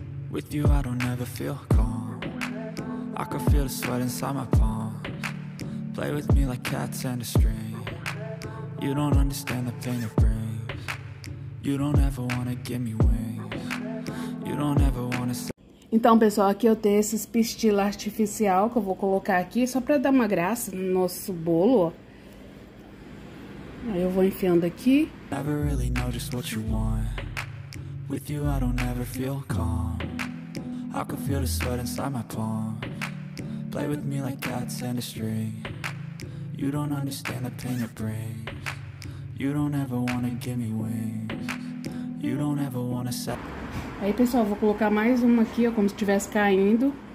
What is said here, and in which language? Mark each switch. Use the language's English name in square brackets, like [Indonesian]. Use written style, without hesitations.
[English] With you I don't ever feel calm. I can feel the sweat inside my palms. Play with me like cats and a string. You don't understand the pain it brings. You don't ever wanna give me wings. You don't ever wanna say. [Portuguese] Então, pessoal, aqui eu tenho esses pistilos artificial que eu vou colocar aqui só pra dar uma graça no nosso bolo. Aí eu vou enfiando aqui. [English] Never really know just what you want. With you I don't ever feel calm. I can feel the sweat inside my palm. Play with me like cats and a string. You don't understand the pain it brings. You don't ever wanna give me wings. You don't ever wanna set. [Portuguese] Aí, pessoal, vou colocar mais uma aqui, ó, como se estivesse caindo.